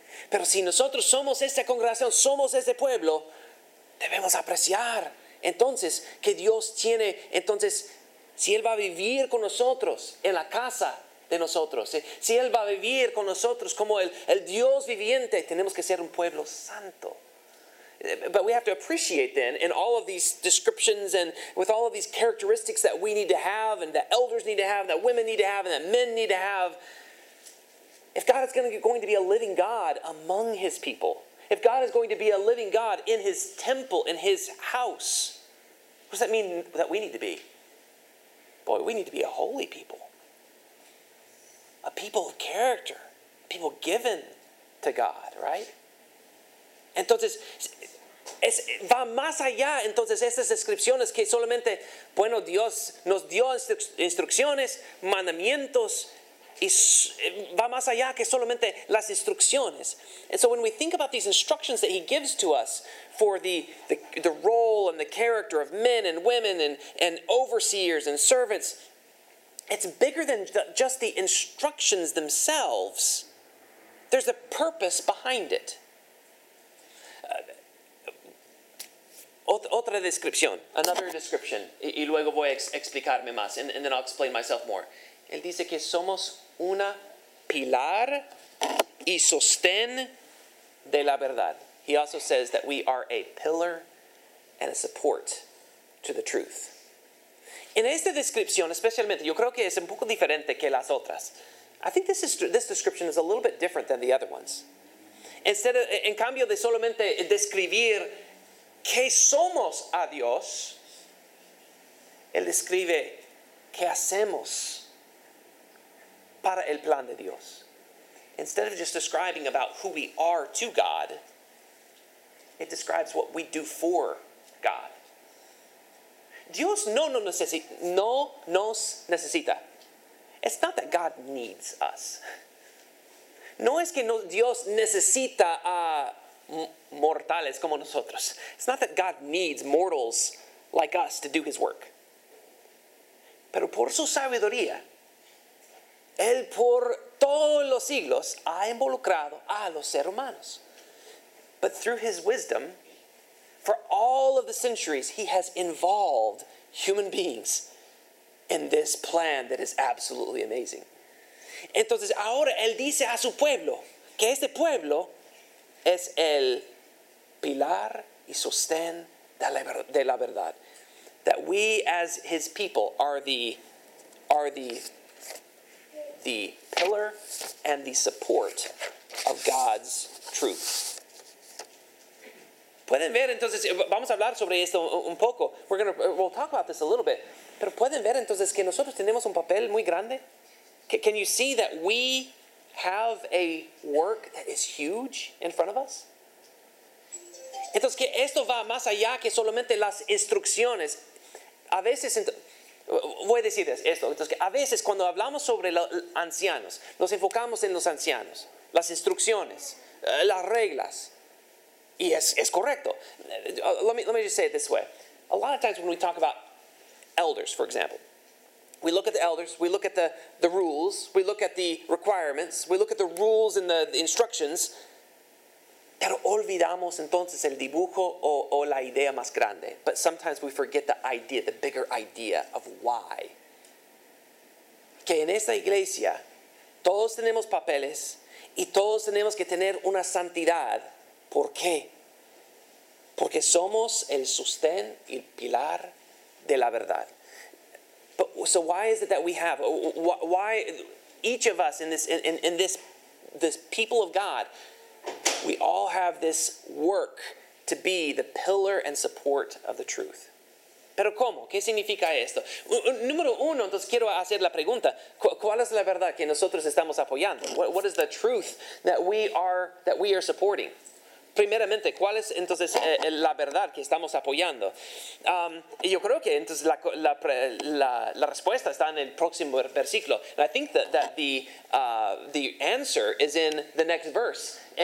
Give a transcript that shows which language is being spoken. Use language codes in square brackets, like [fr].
[es] Pero si nosotros somos esta congregación, somos este pueblo, debemos apreciar entonces que Dios tiene, entonces, si Él va a vivir con nosotros en la casa de nosotros, si Él va a vivir con nosotros como el Dios viviente, tenemos que ser un pueblo santo. [en] But we have to appreciate then in all of these descriptions and with all of these characteristics that we need to have and that elders need to have, that women need to have and that men need to have. If God is going to be a living God among His people, if God is going to be a living God in His temple, in His house, What does that mean that we need to be? Boy, we need to be a holy people. A people of character. People given to God, right? [es] Entonces, va más allá, entonces, estas descripciones que solamente, bueno, Dios nos dio instrucciones, mandamientos, y va más allá que solamente las instrucciones. [en] And so when we think about these instructions that he gives to us for the role and the character of men and women and overseers and servants, it's bigger than just the instructions themselves. There's a purpose behind it. [es] Otra descripción. [en] Another description. [es] Y luego voy a explicarme más. [en] And then I'll explain myself more. [es] Él dice que somos una pilar y sostén de la verdad. [en] He also says that we are a pillar and a support to the truth. [es] En esta descripción, especialmente, yo creo que es un poco diferente que las otras. [en] I think this description is a little bit different than the other ones. Instead of, [es] en cambio de solamente describir que somos a Dios, él describe que hacemos para el plan de Dios. [en] Instead of just describing about who we are to God, it describes what we do for God. [es] Dios no nos necesita. [en] It's not that God needs us. [es] No es que Dios necesita a mortales como nosotros. [en] It's not that God needs mortals like us to do his work. [es] Pero por su sabiduría, él por todos los siglos ha involucrado a los seres humanos. [en] But through his wisdom, for all of the centuries, he has involved human beings in this plan that is absolutely amazing. [es] Entonces, ahora él dice a su pueblo que este pueblo es el pilar y sostén de la verdad. [en] That we as his people are the pillar and the support of God's truth. [es] Pueden ver, entonces, vamos a hablar sobre esto un poco. [en] We'll talk about this a little bit. [es] Pero pueden ver, entonces, que nosotros tenemos un papel muy grande. [en] Can you see that we have a work that is huge in front of us? [es] Entonces, que esto va más allá que solamente las instrucciones. A veces, voy a decir esto. Entonces, a veces, cuando hablamos sobre los ancianos, nos enfocamos en los ancianos, las instrucciones, las reglas. Y es correcto. [en] Let me just say it this way. A lot of times when we talk about elders, for example, we look at the elders, we look at the rules, we look at the requirements, we look at the rules and the instructions, [es] pero olvidamos entonces el dibujo o la idea más grande. [en] But sometimes we forget the idea, the bigger idea of why. [es] Que en esta iglesia todos tenemos papeles y todos tenemos que tener una santidad. ¿Por qué? Porque somos el sostén y el pilar de la verdad. [en] But, so why is it that we have, why each of us in this people of God, we all have this work to be the pillar and support of the truth. [es] ¿Pero cómo? ¿Qué significa esto? Número uno, entonces quiero hacer la pregunta, ¿cuál es la verdad que nosotros estamos apoyando? [en] What is the truth that we are supporting? [es] Primeramente, ¿cuál es entonces la verdad que estamos apoyando? Y yo creo que entonces la respuesta está en el próximo versículo. [en] And I think that the answer is in the next verse.